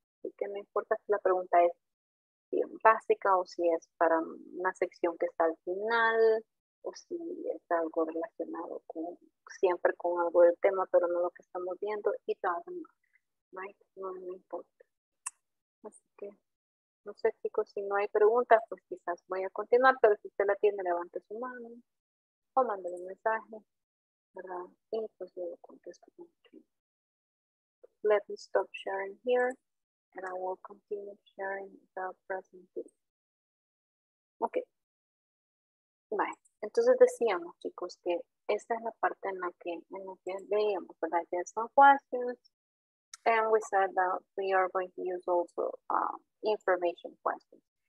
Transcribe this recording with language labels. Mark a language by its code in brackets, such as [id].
[es] Así que no importa si la pregunta es bien básica o si es para una sección que está al final, o si es algo relacionado con, siempre con algo del tema, pero no lo que estamos viendo, y todo lo demás. No me importa. Así que, no sé, chicos, si no hay preguntas, pues quizás voy a continuar, pero si usted la tiene, levante su mano o mándale un mensaje, ¿verdad? Y pues yo lo contesto. [en] Let me stop sharing here, and I will continue sharing the presentation. Ok. Bye. [es] Entonces decíamos, chicos, que esta es la parte en la que veíamos, ¿verdad? [en] Yes, no questions. And we said that we are going to use also information questions.